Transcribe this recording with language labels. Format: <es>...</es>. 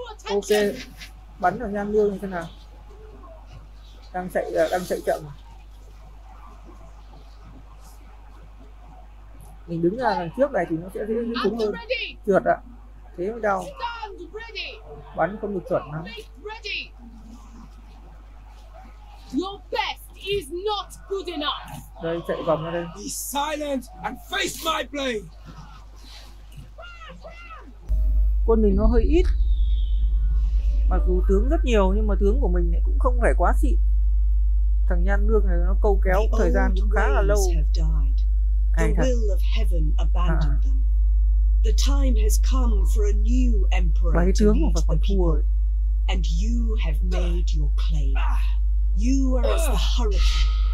<vi>Ok, bắn vào Nhan Lương như thế nào. Đang chạy chậm. Mình đứng ra đằng trước này thì nó sẽ dễ đúng hơn. Trượt ạ. Thế mới đau. Bắn không được chuẩn lắm.</vi> <en>Your best is not good enough.</en> <vi>Đây chạy vòng ra đây.</vi> <en>Be silent and face my blade.</en> <vi>Quân mình nó hơi ít. Mặc dù tướng rất nhiều nhưng mà tướng của mình lại cũng không phải quá xịn. Thằng Nhan Lương này nó câu kéo thời gian cũng khá là lâu.</vi> <en>The will of heaven abandoned them. The time has come for a new emperor to lead the people. And you have made your claim. You are as the hurricane.</en>